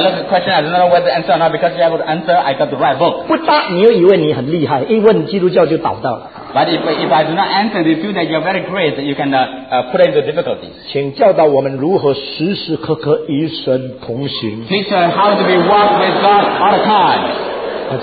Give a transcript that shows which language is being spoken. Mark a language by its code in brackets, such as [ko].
[en] look at question, I don't know whether to answer or not, because you have to answer, I got to write a book. [zh] 不答你又以为你很厉害，一问基督教就倒掉了。But [en] if I do not answer, you feel that you're very great, you can put into difficulties. [zh] 请教导我们如何时时刻刻与神同行。 [en] Teacher, how to be walk with God all the time.